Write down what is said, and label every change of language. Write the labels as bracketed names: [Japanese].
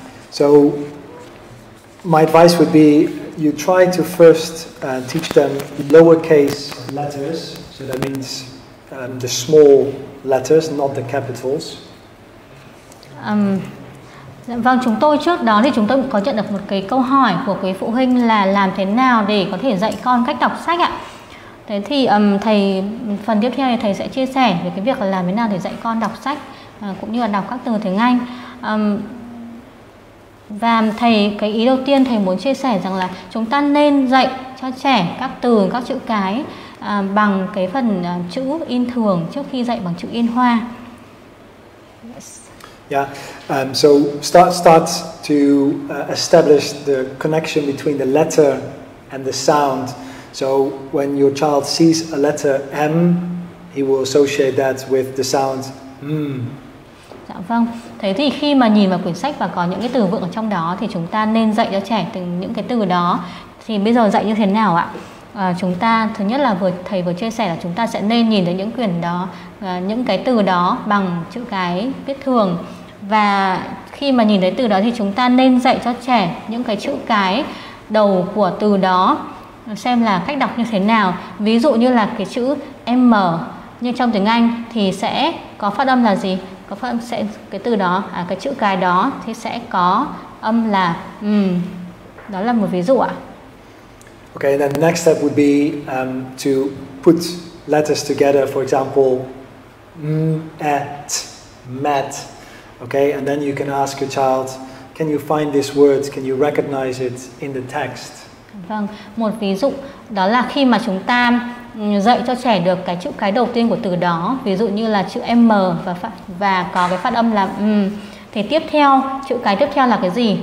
[English] So my advice would be you try to first teach them lowercase letters, so that means the small letters, not the capitals. [Vietnamese] Vâng, chúng tôi trước đó thì chúng tôi có nhận được một cái câu hỏi của quý phụ huynh là làm thế nào để có thể dạy con cách đọc sách ạ. Thế thì thầy phần tiếp theo thì thầy sẽ chia sẻ về cái việc là làm thế nào để dạy con đọc sách cũng như là đọc các từ tiếng Anh. Và thầy, cái ý đầu tiên thầy muốn chia sẻ rằng là chúng ta nên dạy cho trẻ các từ, các chữ cái bằng cái phần chữ in thường trước khi dạy bằng chữ in hoa. [English] Yeah. So start to establish the connection between the letter and the sound. So when your child sees a letter M, he will associate that with the sound M. [Vietnamese] Dạ vâng. Thế thì khi mà nhìn vào quyển sách và có những cái từ vựng ở trong đó thì chúng ta nên dạy cho trẻ từng những cái từ đó. Thì bây giờ dạy như thế nào ạ? Chúng ta thứ nhất là thầy vừa chia sẻ là chúng ta sẽ nên nhìn thấy những quyển đó, những cái từ đó bằng chữ cái viết thường, và khi mà nhìn thấy từ đó thì chúng ta nên dạy cho trẻ những cái chữ cái đầu của từ đó xem là cách đọc như thế nào. Ví dụ như là cái chữ M như trong tiếng Anh thì sẽ có phát âm là gì, có phát âm sẽ cái từ đó, cái chữ cái đó thì sẽ có âm là đó là một ví dụ ạ. [English] Okay, and then the next step would be to put letters together, for example, mat. Okay, and then you can ask your child, can you find this word? Can you recognize it in the text? [Vietnamese] Vâng, một ví dụ đó là khi mà chúng ta dạy cho trẻ được cái chữ cái đầu tiên của từ đó, ví dụ như là chữ M và có cái phát âm là thì tiếp theo, chữ cái tiếp theo là cái gì?